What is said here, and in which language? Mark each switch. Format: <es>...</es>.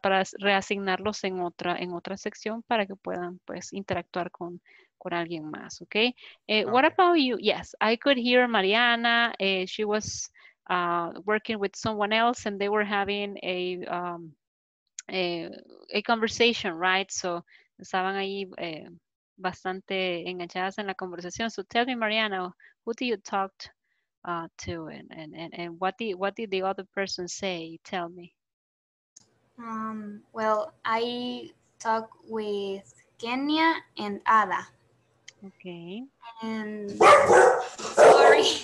<es>Para reasignarlos en otra sección para que puedan, pues, interactuar con alguien más, ¿ok?</es> <en>Okay. What about you? Yes, I could hear Mariana. She was working with someone else and they were having a conversation, right? So,</en> <es>estaban ahí bastante enganchadas en la conversación.</es> <en>So, tell me, Mariana, who do you talk to? To and what did the other person say? Tell me. Well, I talk with Kenya and Ada. Okay. And sorry.</en>